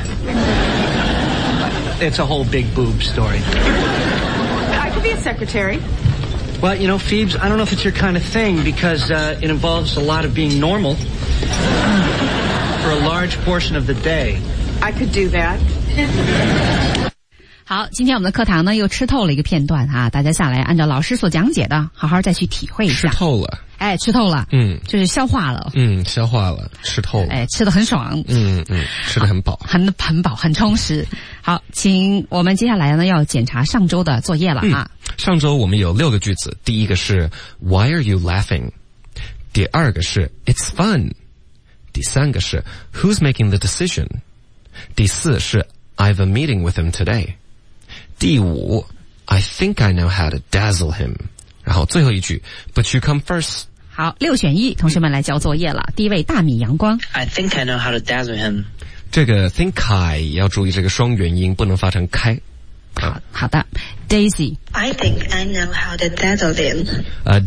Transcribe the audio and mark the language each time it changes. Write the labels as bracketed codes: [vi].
[en] It's a whole big boob story. I could be a secretary. Well, you know, Phoebes, I don't know if it's your kind of thing because it involves a lot of being normal for a large portion of the day. I could do that. [zh] 好，今天我们的课堂呢又吃透了一个片段啊，大家下来按照老师所讲解的好好再去体会一下。吃透了。哎，吃透了。嗯，就是消化了。嗯，消化了，吃透了。哎，吃得很爽。嗯嗯，吃得很饱。很饱，很充实。好，请我们接下来呢要检查上周的作业了啊。上周我们有六个句子，第一个是 Why are you laughing? 第二个是 It's fun. 第三个是 Who's making the decision? [en] 第四是 I have a meeting with him today. 第五 I think I know how to dazzle him 然后最后一句 But you come first [zh] 好六选一同学们来交作业了第一位大米阳光 [en] I think I know how to dazzle him [zh] 这个 think I 要注意这个双元音不能发成开好的 Daisy [en] I think I know how to dazzle him